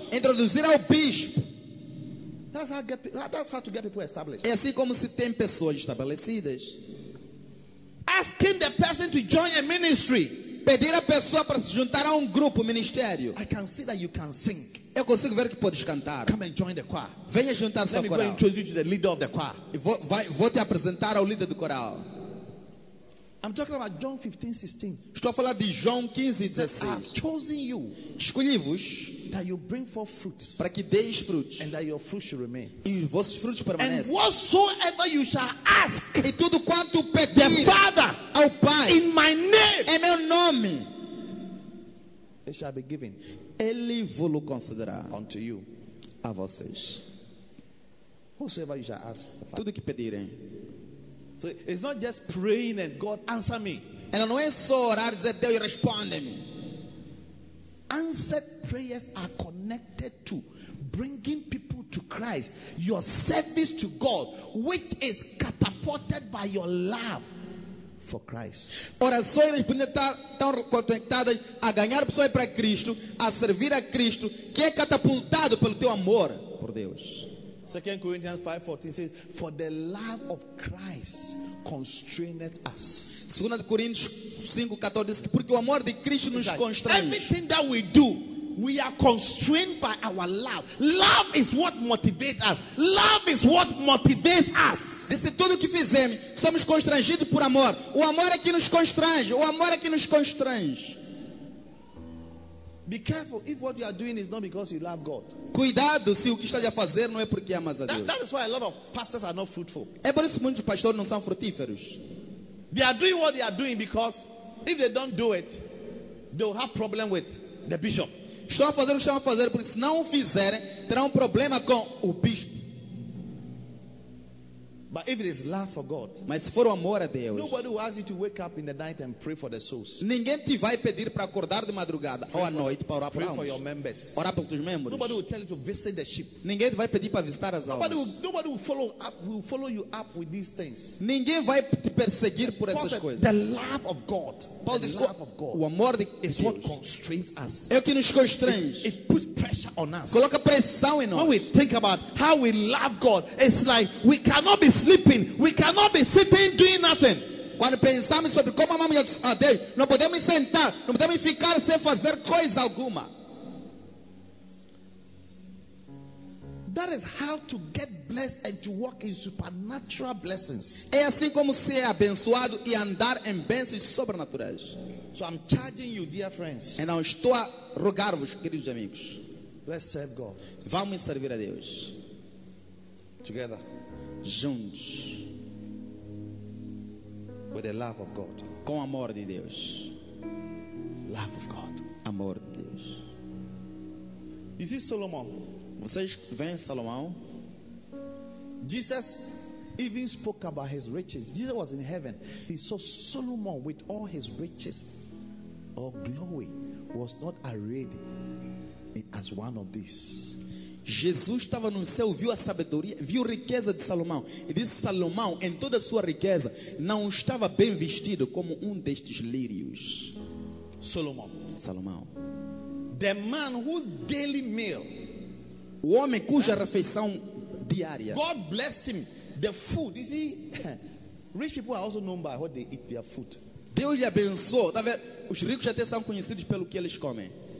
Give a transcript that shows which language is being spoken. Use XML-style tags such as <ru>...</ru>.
<pt>Introduzir ao bispo.</pt> <en>That's how to get people established.</en> <pt>É assim como se tem pessoas estabelecidas.</pt> <en>Asking the person to join a ministry.</en> <pt>Pedir a pessoa para se juntar a grupo ministério.</pt> <en>I can see that you can sing.</en> <pt>Eu consigo ver que podes cantar.</pt> <en>Come and join the choir.</en> <pt>Venha juntar-se ao coral.</pt> <en>Let me introduce you to the leader of the choir.</en> <pt>Vou te apresentar ao líder do coral.</pt> <en>I'm talking about John 15, 16.</en> <pt>Estou a falar de João 15, 16.</pt> <en>I have chosen you.</en> <pt>Escolhi-vos.</pt> <en>That you bring forth fruits.</en> <pt>Para que deis frutos.</pt> <en>And that your fruit shall remain.</en> <pt>E os vossos frutos permaneçam.</pt> <en>And whatsoever you shall ask.</en> <pt>E tudo quanto pedir.</pt> <en>The Father.</en> <pt>Ao Pai.</pt> <en>In my name.</en> <pt>Em meu nome.</pt> <en>It shall be given.</en> <pt>Ele vou-lo considerar.</pt> <en>Unto you.</en> <pt>A vocês.</pt> <en>Whatsoever you shall ask.</en> <pt>Tudo que pedirem.</pt> <en>So it's not just praying and God answer me.</en> <pt>Ela não é só orar e dizer Deus responde-me.</pt> <en>Answered prayers are connected to bringing people to Christ. Your service to God, which is catapulted by your love for Christ.</en> <pt>Orações respondidas estão conectadas a ganhar pessoas para Cristo, a servir a Cristo, que é catapultado pelo teu amor por Deus.</pt> <en>2 Corinthians 5:14 says, "For the love of Christ constraineth us."</en> <pt>2 Corinthians 5:14 diz que porque o amor de Cristo nos constrange.</pt> <en>Everything that we do, we are constrained by our love. Love is what motivates us. Love is what motivates us.</en> <pt>Disse tudo o que fizemos, somos constrangidos por amor. O amor é que nos constrange. O amor é que nos constrange.</pt> <en>Be careful if what you are doing is not because you love God.</en> <pt>Cuidado se o que estás a fazer não é porque amas a Deus.</pt> <en>That is why a lot of pastors are not fruitful.</en> <pt>É por isso que muitos pastores não são frutíferos.</pt> <en>They are doing what they are doing because if they don't do it, they will have problem with the bishop.</en> <pt>Estão a fazer o que estão a fazer porque se não o fizerem, terão problema com o bispo.</pt> <en>But if it is love for God,</en> <pt>mas se for o amor a Deus,</pt> <en>nobody will ask you to wake up in the night and pray for the souls.</en> <pt>Ninguém te vai pedir para acordar de madrugada ou à noite para orar por almas.</pt> <en>Pray for your members.</en> <pt>Orar pelos teus membros.</pt> <en>Nobody will tell you to visit the sheep.</en> <pt>Ninguém te vai pedir para visitar as almas.</pt> <en>Nobody will follow you up with these things.</en> <pt>Ninguém vai te perseguir por essas coisas.</pt> <en>The love of God. Paul the</en> <pt>diz,</pt> <en>love of God.</en> <pt>O amor de</pt> <en>is what constrains us.</en> <pt>É o que nos constrange.</pt> <en>It puts pressure on us.</en> <pt>Coloca pressão em nós.</pt> <en>When we think about how we love God, it's like we cannot be sleeping, we cannot be sitting doing nothing.</en> <pt>Quando pensamos sobre como amamos a Deus, não podemos sentar, não podemos ficar sem fazer coisa alguma.</pt> <en>That is how to get blessed and to walk in supernatural blessings.</en> <pt>É assim como ser abençoado e andar em bênçãos sobrenaturais.</pt> <en>So I'm charging you, dear friends.</en> <pt>E não estou a rogar-vos, queridos amigos.</pt> <en>Let's serve God.</en> <pt>Vamos servir a Deus.</pt> <en>Together.</en> <pt>Juntos.</pt> <en>With the love of God.</en> <pt>Com amor de Deus.</pt> <en>Love of God.</en> <pt>Amor de Deus.</pt> <en>Is this Solomon?</en> <pt>Vocês veem Salomão?</pt> <en>Jesus even spoke about his riches. Jesus was in heaven. He saw Solomon with all his riches or glory was not arrayed as one of these.</en> <pt>Jesus estava no céu, viu a sabedoria, viu a riqueza de Salomão. E disse: Salomão, em toda a sua riqueza, não estava bem vestido como um destes lírios. Solomão. Salomão.</pt> <en>The man whose daily meal.</en> <pt>O homem cuja refeição diária.</pt> <en>God blessed him. The food. You see, rich people are also known by what they eat their food.</en> <pt>Deus lhe abençoou. Tá vendo? Os ricos até são conhecidos pelo que eles comem.</pt>